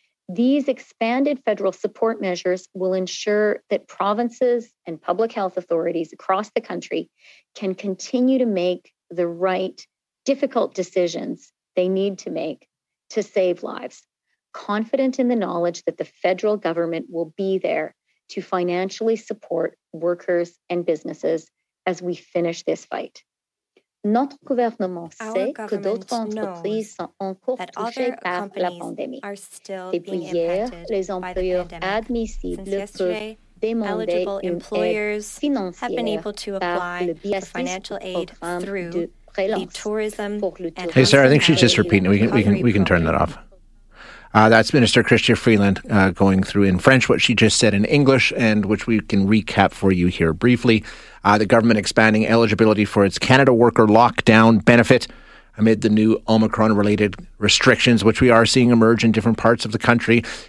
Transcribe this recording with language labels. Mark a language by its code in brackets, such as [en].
[en] These expanded federal support measures will ensure that provinces and public health authorities across the country can continue to make the right difficult decisions they need to make to save lives, confident in the knowledge that the federal government will be there to financially support workers and businesses as we finish this fight. [fr] Notre gouvernement sait que d'autres entreprises sont encore touchées par la pandémie. Depuis hier, les employeurs admissibles peuvent demander une aide financière par le biais du programme de [en] Hey, Sarah, I think she's just repeating. We can turn that off. That's Minister Chrystia Freeland going through in French what she just said in English, and which we can recap for you here briefly. The government expanding eligibility for its Canada worker lockdown benefit amid the new Omicron-related restrictions, which we are seeing emerge in different parts of the country.